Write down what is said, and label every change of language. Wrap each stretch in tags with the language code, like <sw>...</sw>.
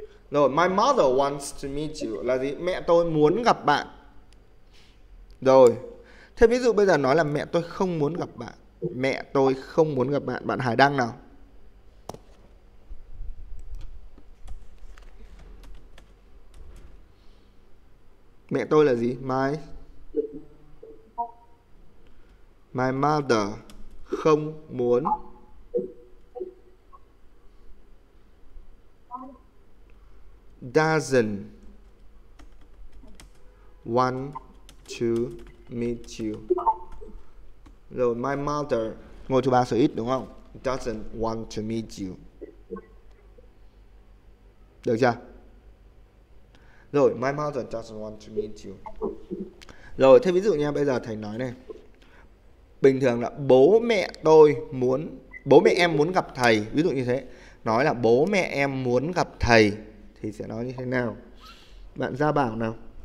<en>No, my mother wants to meet you</en> <vi>là gì? Mẹ tôi muốn gặp bạn. Rồi, thế ví dụ bây giờ nói là mẹ tôi không muốn gặp bạn. Mẹ tôi không muốn gặp bạn. Bạn Hải Đăng nào? Mẹ tôi là gì?</vi> <en>My mother</en> <vi>không muốn</vi> <en>doesn't want to meet you.</en> <vi>Rồi,</vi> <en>my mother</en> <vi>ngồi thứ ba số ít đúng không?</vi> <en>Doesn't want to meet you.</en> <vi>Được chưa?</vi> <en>Rồi, my mother doesn't want to meet you.</en> <vi>Rồi, thế ví dụ nha, bây giờ thầy nói này. Bình thường là bố mẹ tôi muốn, bố mẹ em muốn gặp thầy, ví dụ như thế. Nói là bố mẹ em muốn gặp thầy thì sẽ nói như thế nào? Bạn Gia Bảo nào?</vi>